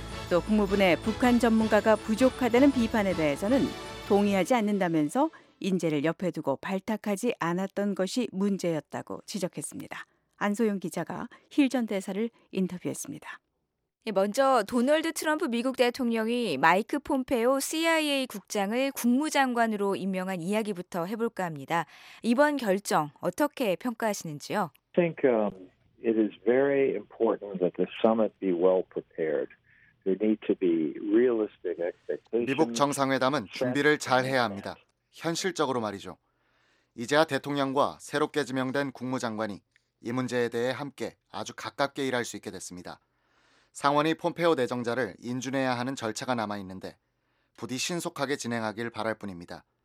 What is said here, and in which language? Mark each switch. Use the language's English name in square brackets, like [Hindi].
[Korean] 또 국무부 내 북한 전문가가 부족하다는 비판에 대해서는 동의하지 않는다면서 인재를 옆에 두고 발탁하지 않았던 것이 문제였다고 지적했습니다. 안소영 기자가 힐 전 대사를 인터뷰했습니다. 먼저 도널드 트럼프 미국 대통령이 마이크 폼페오 CIA 국장을 국무장관으로 임명한 이야기부터 해볼까 합니다. 이번 결정 어떻게 평가하시는지요? [English] I think it is very important that the summit be well prepared. There need to be realistic expectations. [Korean] 미북 정상회담은 준비를 잘 해야 합니다. 현실적으로 말이죠. 이제야 대통령과 새롭게 지명된 국무장관이 이 문제에 대해 함께 아주 가깝게 일할 수 있게 됐습니다. 상원이 폼페오 내정자를 인준해야 하는 절차가 남아 있는데 부디 신속하게 진행하길 바랄 뿐입니다.